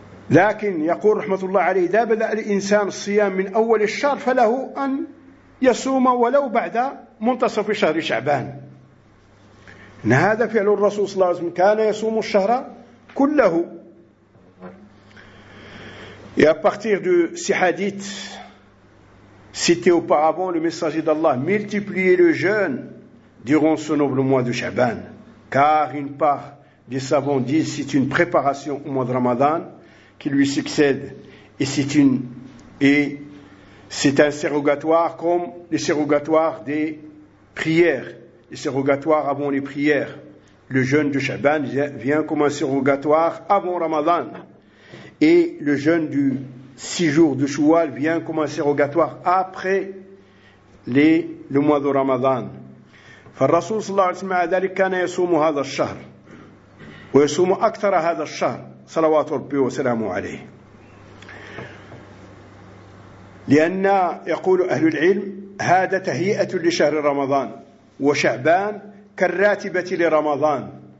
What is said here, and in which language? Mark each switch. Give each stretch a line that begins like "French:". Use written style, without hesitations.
Arabic: لكن يقول رحمة الله عليه إذا بدأ الإنسان الصيام من أول الشهر فله أن يصوم ولو بعد منتصف شهر شعبان، إن هذا فعل الرسول صلى الله عليه وسلم كان يصوم الشهر كله.
French: Et à partir de ces hadiths cité auparavant, le messager d'Allah multipliait le jeûne durant ce noble mois de Sha'ban, car une part des savants disent c'est une préparation au mois de Ramadan qui lui succède et c'est un surrogatoire comme les surrogatoires des prières, les surrogatoires avant les prières. Le jeûne de Sha'ban vient comme un surrogatoire avant Ramadan et le jeûne du 6 jours de Choual vient comme un surrogatoire après le mois de Ramadan.
Arabic: فالرسول صلى الله عليه وسلم ذلك كان يصوم هذا الشهر ويصوم أكثر هذا الشهر صلوات ربي وسلامه عليه. لأن يقول أهل العلم هذا تهيئة لشهر رمضان وشعبان كالراتبة لرمضان.